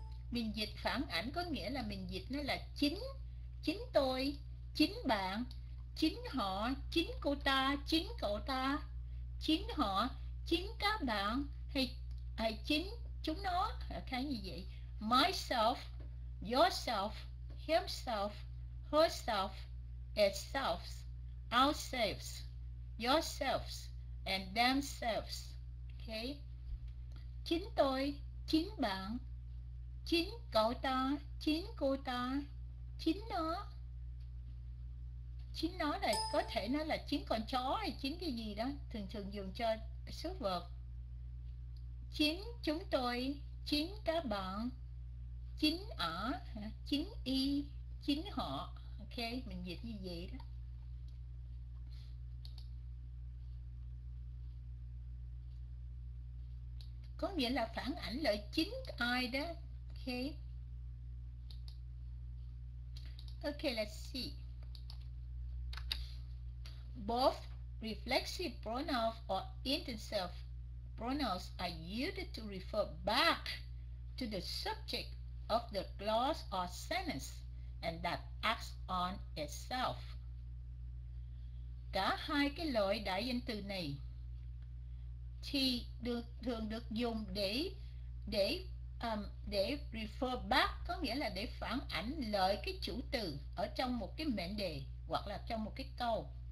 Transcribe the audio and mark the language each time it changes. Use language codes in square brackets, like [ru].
[vi] Mình dịch phản ảnh có nghĩa là mình dịch nó là chính chính tôi, chính bạn, chính họ, chính cô ta, chính cậu ta, chính họ, chính các bạn, hay chính chúng nó, cái như vậy. [en] Myself, yourself, himself, herself, itself, ourselves, yourselves and themselves. Okay. [vi] Chính tôi, chính bạn, chính cậu ta, chính cô ta, chính nó. Chính nó này có thể nó là chính con chó hay chính cái gì đó, thường thường dùng cho số vật. Chính chúng tôi, chính các bạn, chính ở, chính y, chính họ. Ok, mình dịch như vậy đó. Có nghĩa là phản ảnh lại chính ai đó. [en] Okay, let's see. Both reflexive pronouns or intensive pronouns are used to refer back to the subject of the clause or sentence and that acts on itself. [vi] Cả hai cái loại đại danh từ này thì được thường được dùng để refer back, có nghĩa là để phản ánh lại cái chủ từ ở trong một cái mệnh đề hoặc là trong một cái câu.